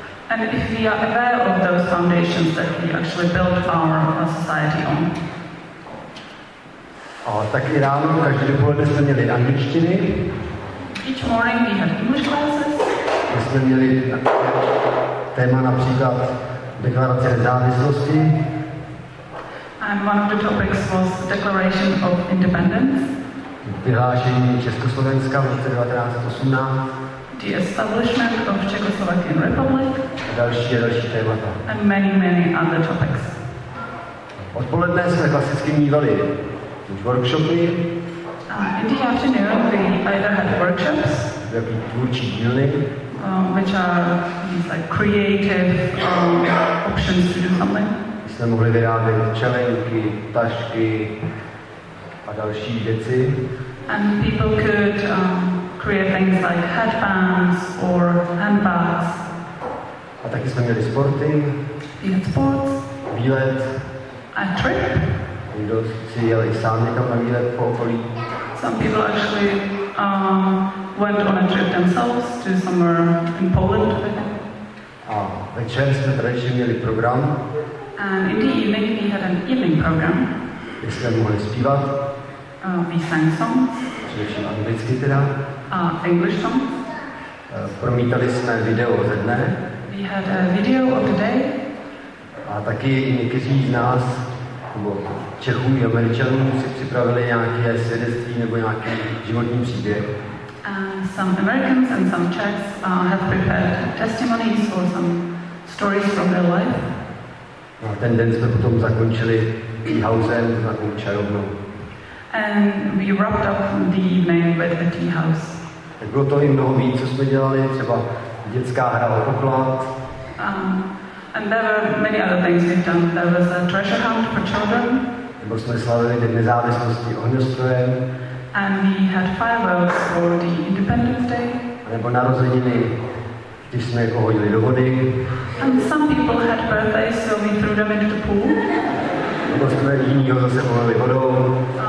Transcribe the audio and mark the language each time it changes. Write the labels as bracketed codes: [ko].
[en] And if we are aware of those foundations that we actually built our society on. [cs] A taky ráno, každý dopoledne jsme měli angličtiny. [en] Each morning we had English classes. [cs] My jsme měli téma například deklarace nezávislosti. [en] And one of the topics was the Declaration of Independence. [cs] Vyhlášení Československa v roce 1918. [en] The establishment of Czechoslovakian Republic. [cs] A další témata. [en] And many, many other topics. [cs] Odpoledne jsme klasicky mývali už workshopy. [en] In the afternoon we either had workshops. [cs] Jaký tvůrčí dílny. [en] Which are these like creative options to do something. [cs] My jsme mohli vyrábět čelenky, tašky a další věci. [en] And people could create things like headbands or handbags. [cs] A taky jsme měli sporty. [en] We had sports. [cs] Výlet. [en] A trip. [cs] Někdo si jel i sám někam na výlet po okolí. [en] Some people actually went on a trip themselves to somewhere in Poland. [cs] A večer jsme tradičně měli program. [en] And in the evening we had an evening program. [cs] Kde jsme mohli zpívat. [en] We sang songs. [cs] Především anglicky teda. [en] A English songs. [cs] Promítali jsme video ze dne. [en] We had a video of the day. [cs] A taky někteří z nás, nebo Čechům i Američanům si připravili nějaké svědectví nebo nějaký životní příběh. [en] Some Americans and some Czechs have prepared testimonies or some stories from their life. [cs] A ten den jsme potom zakončili tea housem, takovou čajovnou. [en] And we wrapped up the evening with a tea house. [cs] Tak bylo to i mnoho víc, co jsme dělali, třeba dětská hra o poklad. [en] And there were many other things we've done. There was a treasure hunt for children. [cs] Nebo jsme slavili Den nezávislosti ohňostrojem. [en] And we had fireworks for the Independence Day. [cs] Nebo narozeniny, když jsme jako hodili do vody. [en] And some people had birthdays, so we threw them into the pool. [cs] Nebo jsme jinýho zase volili vodou.